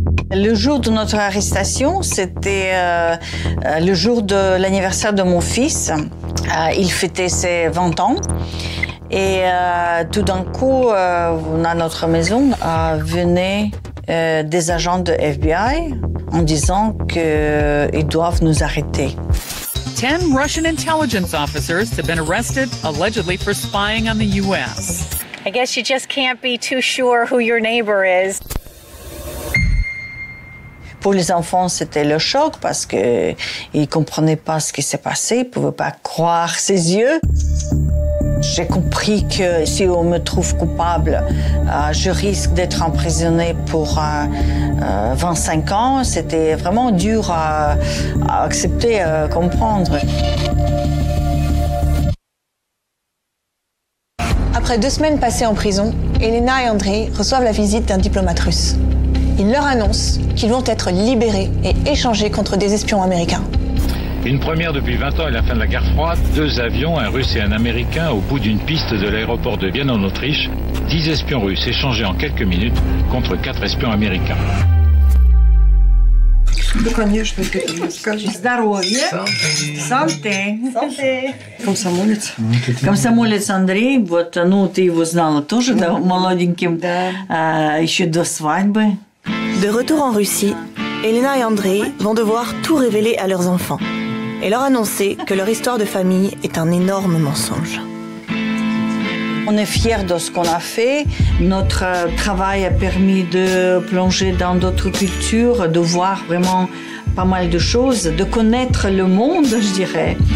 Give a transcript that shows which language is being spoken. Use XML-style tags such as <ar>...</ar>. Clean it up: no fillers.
<fr>Le jour de notre arrestation, c'était le jour de l'anniversaire de mon fils. Il fêtait ses 20 ans. Et tout d'un coup, à notre maison, venaient des agents de FBI en disant qu'ils doivent nous arrêter.</fr> <en>10 Russian intelligence officers have been arrested allegedly for spying on the US. I guess you just can't be too sure who your neighbor is.</en> <fr>Pour les enfants, c'était le choc parce que ils comprenaient pas ce qui s'est passé, ils pouvaient pas croire ses yeux. J'ai compris que si on me trouve coupable, je risque d'être emprisonnée pour 25 ans. C'était vraiment dur à accepter, à comprendre. Après 2 semaines passées en prison, Elena et André reçoivent la visite d'un diplomate russe. Il leur annonce qu'ils vont être libérés et échangés contre des espions américains. Une première depuis 20 ans et la fin de la guerre froide. 2 avions, un russe et un américain, au bout d'une piste de l'aéroport de Vienne en Autriche. 10 espions russes échangés en quelques minutes contre 4 espions américains.</fr> <ru>Ну, конечно, ты скажи. Здоровье. Санте. Санте. Комсомолец. Комсомолец Андрей, вот, ну, ты его знала тоже, да, молоденьким. Да. А, еще до свадьбы.</ru> <fr>De retour en Russie, Elena et Andrei vont devoir tout révéler à leurs enfants et leur annoncer que leur histoire de famille est un énorme mensonge. On est fiers de ce qu'on a fait. Notre travail a permis de plonger dans d'autres cultures, de voir vraiment pas mal de choses, de connaître le monde, je dirais.</fr>